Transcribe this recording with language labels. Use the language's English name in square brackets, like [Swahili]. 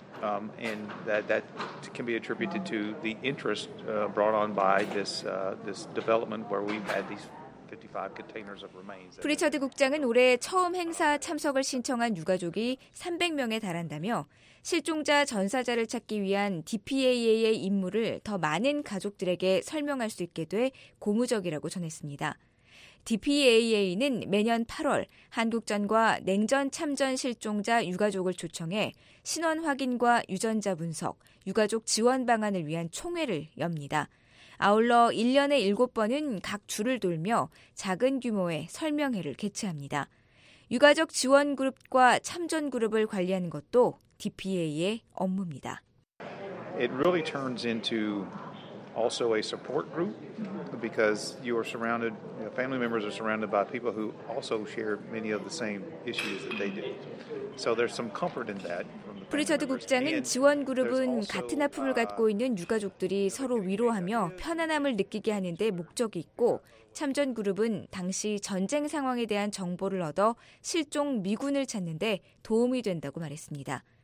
[English] And that can be attributed to the interest brought on by this development where we had these 55 containers of remains. [Korean] 프리처드 국장은 올해 처음 행사 참석을 신청한 유가족이 300명에 달한다며 실종자 전사자를 찾기 위한 DPAA의 임무를 더 많은 가족들에게 설명할 수 있게 돼 고무적이라고 전했습니다. DPAA는 매년 8월 한국전과 냉전 참전 실종자 유가족을 초청해 신원 확인과 유전자 분석, 유가족 지원 방안을 위한 총회를 엽니다. 아울러 1년에 7번은 각 주를 돌며 작은 규모의 설명회를 개최합니다. 유가족 지원 그룹과 참전 그룹을 관리하는 것도 DPA의 업무입니다. [English] It really turns into also a support group because you are surrounded, family members are surrounded by people who also share many of the same issues that they do. So there's some comfort in that. [Korean] 프리처드 국장은 지원 그룹은 같은 아픔을 갖고 있는 유가족들이 서로 위로하며 편안함을 느끼게 하는 데 목적이 있고 참전 그룹은 당시 전쟁 상황에 대한 정보를 얻어 실종 미군을 찾는 데 도움이 된다고 말했습니다.